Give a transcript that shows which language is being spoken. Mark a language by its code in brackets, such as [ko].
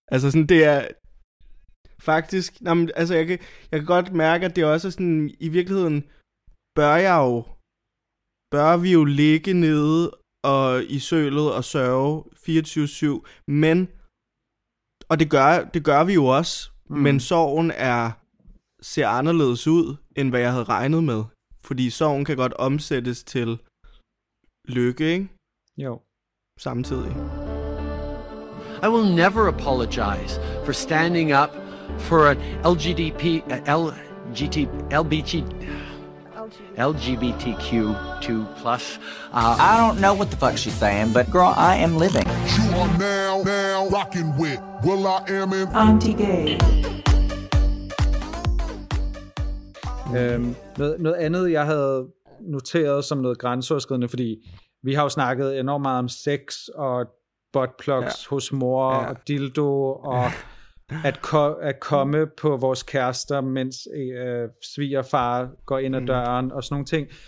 [da] Altså sådan, det er faktisk, altså jeg kan godt mærke, at det også er sådan, i virkeligheden bør vi jo ligge nede og i sølet og sørge 24/7, men, og det gør vi jo også, men sorgen ser anderledes ud, end hvad jeg havde regnet med, fordi sorgen kan godt omsættes til lykke, ikke? Jo. Samtidig. [en] I will never apologize for standing up for an LGBTQ2+. I don't know what the fuck she's saying, but girl, I am living. You are now rocking with Will I Am in Auntie Gay. [da] Noget andet, jeg havde noteret som noget grænseoverskridende, fordi vi har jo snakket enormt meget om sex og buttplugs hos mor og dildo og at komme på vores kærester, mens svigerfar går ind ad døren og sådan nogle ting.